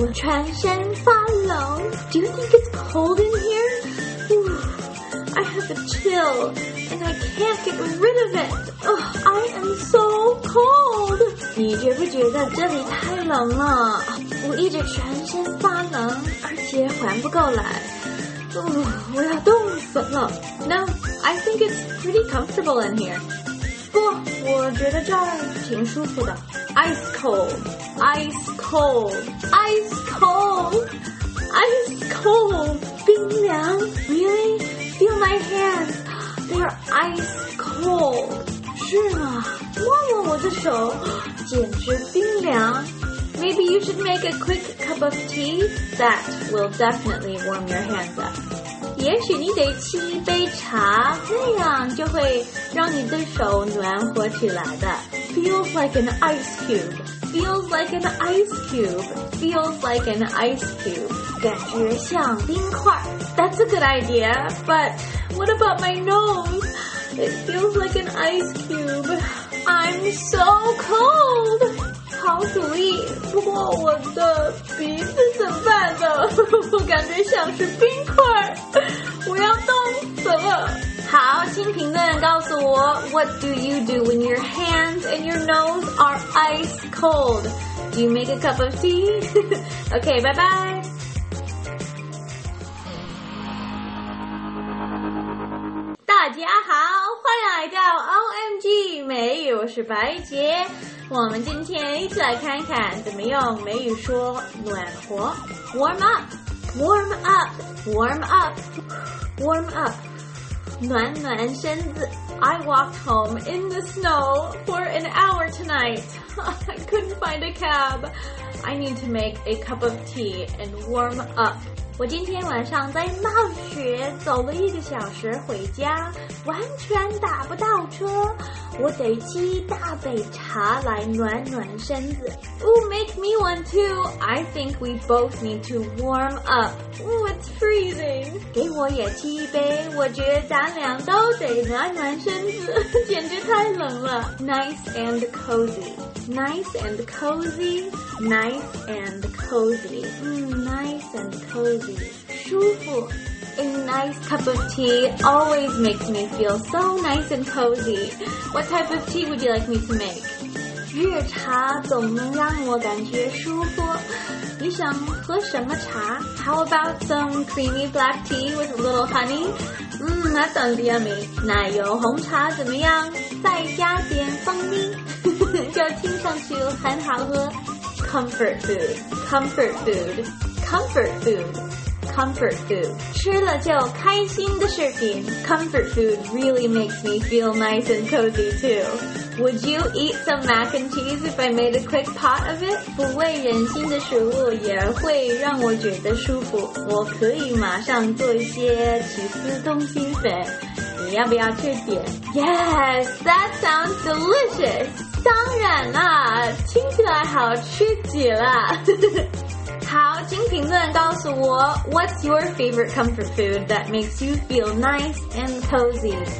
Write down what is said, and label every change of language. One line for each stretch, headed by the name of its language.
English: Ooh,
Chinese: 全身发冷。
English: Do you think it's cold in here? Ooh, I have the chill, and I can't get rid of it. Oh, I am so cold.
Chinese: 你觉不觉得这里太冷了？我一直全身发冷，而且缓不过来。 Oh, 我要冻死了。
English: No, I think it's pretty comfortable in here.
Chinese: 不，我觉得这儿挺舒服的。
English: Ice cold, ice cold, ice cold. Ice cold,
Chinese: 冰凉
English: really? Feel my hands, they're ice cold.
Chinese: 是吗？摸摸我的手，简直冰凉。
English: Maybe you should make a quick cup of tea. That will definitely warm your hands up.
Chinese: 也许你得沏一杯茶，那样就会让你的手暖和起来的。
English: Feels like an ice cube. Feels like an ice cube. Feels like an ice cube.
Chinese: 感觉像冰块。
English: That's a good idea, but what about my nose? It feels like an ice cube. I'm so cold.
Chinese: 好主意，不过我的鼻子怎么办呢？我感觉像是冰块，我要冻死了。好，请评论告诉我 ，
English: What do you do when your hands and your nose are ice cold? Do you make a cup of tea? Okay, bye bye.
Chinese: 大家好，欢迎来到 OMG 美语，我是白杰。我们今天一起来看看怎么用美语说暖和 ，
English: warm up， warm up，
Chinese: warm up， warm up， 暖暖身子。
English: I walked home in the snow for an hour tonight. I couldn't find a cab. I need to make a cup of tea and warm up.
Chinese: 我今天晚上在冒雪走了一个小时回家，完全打不到车，我得沏一大杯茶来暖暖身子。
English: Ooh, make me one too. I think we both need to warm up. Ooh, it's freezing.
Chinese: 给我也沏一杯，我觉得咱俩都得暖暖身子，简直太冷了。
English: Nice and cozy. Nice and cozy. Nice and cozy. Nice and cozy.
Chinese: 舒服
English: A nice cup of tea always makes me feel so nice and cozy. What type of tea would you like me to make?
Chinese: 热茶总能让我感觉舒服。你想喝什么茶？
English: How about some creamy black tea with a little honey? That sounds yummy.
Chinese: 奶油红茶怎么样？再加点蜂蜜，就听上去很好喝。
English: Comfort food, comfort food, comfort food, comfort food.
Chinese: 吃了就开心的食品
English: Comfort food really makes me feel nice and cozy too. Would you eat some mac and cheese if I made a quick pot of it?
Chinese: 不为人心的食物也会让我觉得舒服。我可以马上做一些起司通心粉。你要不要吃点？
English: Yes, that sounds delicious.
Chinese: 当然啦，听起来好吃极了。好，请评论告诉我 ，
English: What's your favorite comfort food that makes you feel nice and cozy?